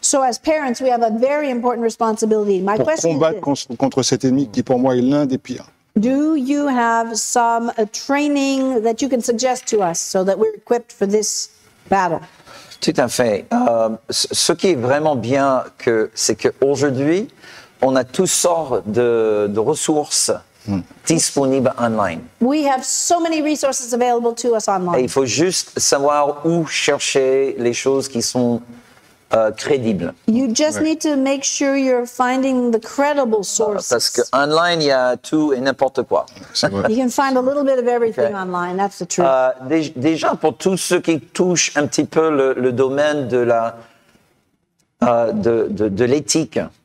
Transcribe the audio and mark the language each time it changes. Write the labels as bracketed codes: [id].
[fr] Pour combattre contre cet ennemi qui pour moi est l'un des pires. [en] Do you have some training that you can suggest to us so that we're equipped for this battle? [fr] Tout à fait. Ce qui est vraiment bien, c'est qu'aujourd'hui, on a toutes sortes de ressources disponibles online. [en] We have so many resources available to us online. [fr] Et il faut juste savoir où chercher les choses qui sont crédibles. [en] You just need to make sure you're finding the credible sources. [fr] Parce que online, il y a tout et n'importe quoi. [en] You can find a little bit of everything online. That's the truth. [fr] Déjà pour tous ceux qui touchent un petit peu le domaine de la de l'éthique.